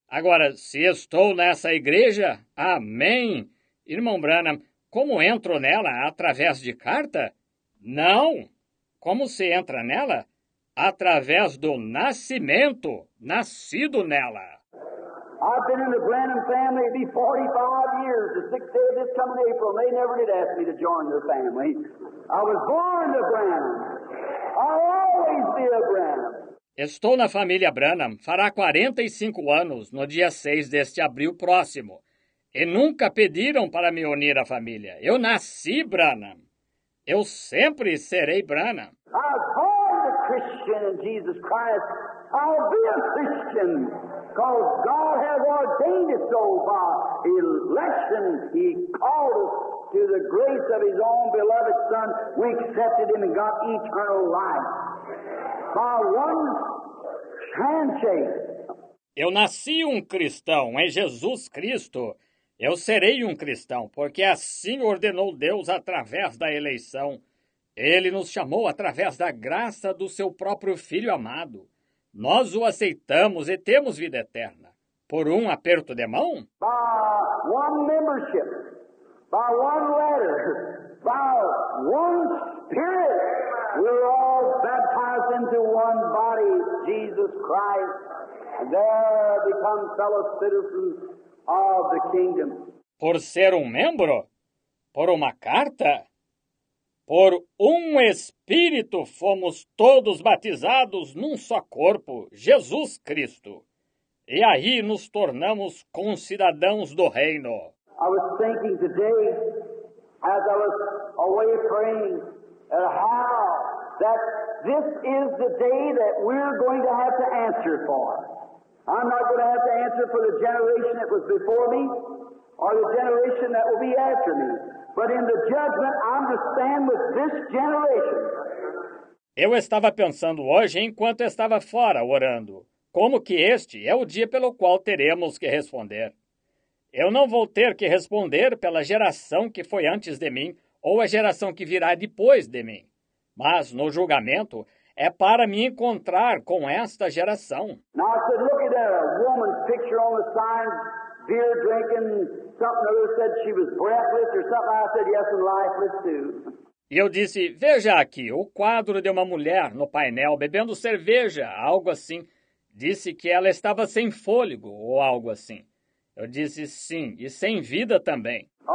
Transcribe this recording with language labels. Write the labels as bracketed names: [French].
[Portuguese] Agora, se estou nessa igreja, amém. Irmão Branham, como entro nela? Através de carta? Não. Como se entra nela? Através do nascimento, nascido nela. [English] I've been in the Branham family be 45 years. The 6th day of this coming April, and they never did ask me to join their family. I was born a Branham. I'll always be a Branham. [Portuguese] Estou na família Branham, fará 45 anos no dia 6 deste abril próximo. E nunca pediram para me unir à família. Eu nasci Branham. Eu sempre serei Branham. [English] Christian in Jesus Christ, I'll be a Christian, because God has ordained it so by election. He called us to the grace of His own beloved Son. We accepted Him and got eternal life by one handshake. [Portuguese] Eu nasci cristão em Jesus Cristo. Eu serei cristão, porque assim ordenou Deus através da eleição. Ele nos chamou através da graça do seu próprio Filho amado. Nós o aceitamos e temos vida eterna. Por aperto de mão? [English] By one membership, by one letter, by one spirit, we're all baptized into one body, Jesus Christ, and there become fellow citizens of the kingdom. [Portuguese] Por ser membro? Por carta? Por espírito fomos todos batizados num só corpo, Jesus Cristo. E aí nos tornamos concidadãos do reino. [English] I was thinking today, as I was away praying, how that this is the day that we're going to have to answer for. I'm not going to have to answer for the generation that was before me, or the generation that will be after me. But in the judgment, I'm to stand with this generation. [Portuguese] Eu estava pensando hoje enquanto estava fora orando, como que este é o dia pelo qual teremos que responder. Eu não vou ter que responder pela geração que foi antes de mim ou a geração que virá depois de mim. Mas no julgamento é para me encontrar com esta geração. [English] Now I said, look at the picture on the sign, beer drinking, something other said she was breathless or something. I said, yes, and lifeless too. [Portuguese] E eu disse, veja aqui, o quadro de uma mulher no painel bebendo cerveja, algo assim. Disse que ela estava sem fôlego ou algo assim. Eu disse, sim, e sem vida também.